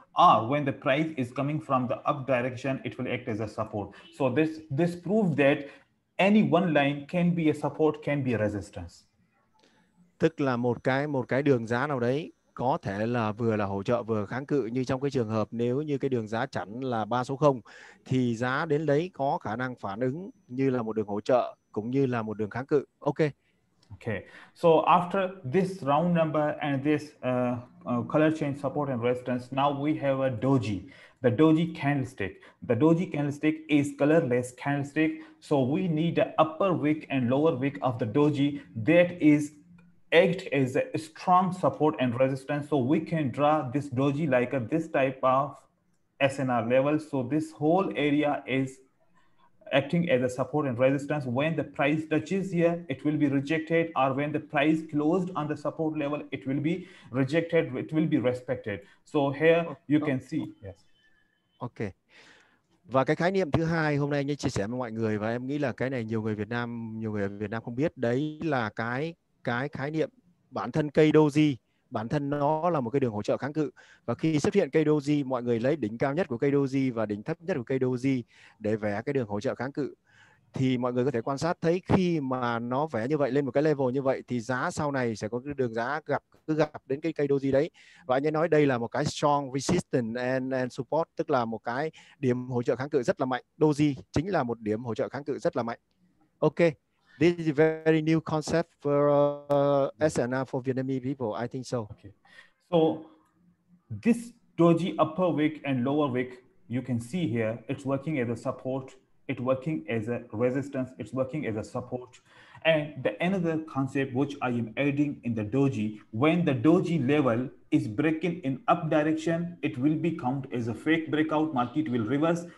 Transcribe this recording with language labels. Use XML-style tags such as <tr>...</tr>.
<en>Or when the price is coming from the up direction, it will act as a support. So this proves that any one line can be a support, can be a resistance.</en> <vi>Tức là một cái đường giá nào đấy có thể là vừa là hỗ trợ vừa kháng cự, như trong cái trường hợp nếu như cái đường giá chẵn là 3 số 0 thì giá đến đấy có khả năng phản ứng như là một đường hỗ trợ cũng như là một đường kháng cự.</vi> <en>Ok. Ok. So after this round number and this color change support and resistance, now we have a doji. The doji candlestick. The doji candlestick is colorless candlestick. So we need the upper wick and lower wick of the doji that is act as a strong support and resistance. So we can draw this doji like this type of SNR level. So this whole area is acting as a support and resistance. When the price touches here, it will be rejected, or when the price closed on the support level, it will be rejected, it will be respected. So here you can see. Yes. Okay.</en> <vi>Và cái khái niệm thứ hai hôm nay anh ấy chia sẻ với mọi người, và em nghĩ là cái này nhiều người ở Việt Nam không biết, đấy là cái khái niệm bản thân cây doji, bản thân nó là một cái đường hỗ trợ kháng cự. Và khi xuất hiện cây doji, mọi người lấy đỉnh cao nhất của cây doji và đỉnh thấp nhất của cây doji để vẽ cái đường hỗ trợ kháng cự. Thì mọi người có thể quan sát thấy khi mà nó vẽ như vậy lên một cái level như vậy thì giá sau này sẽ có cái đường giá cứ gặp đến cái cây doji đấy. Và anh ấy nói đây là một cái</vi> <en>strong resistance and support,</en> <vi>tức là một cái điểm hỗ trợ kháng cự rất là mạnh. Doji chính là một điểm hỗ trợ kháng cự rất là mạnh.</vi> <en>Ok. This is a very new concept for SNR for Vietnamese people. I think so. Okay. So this doji upper wick and lower wick, you can see here, it's working as a support. It's working as a resistance, it's working as a support. And the another concept which I am adding in the doji, when the doji level is breaking in up direction, it will be count as a fake breakout, market will reverse.</en>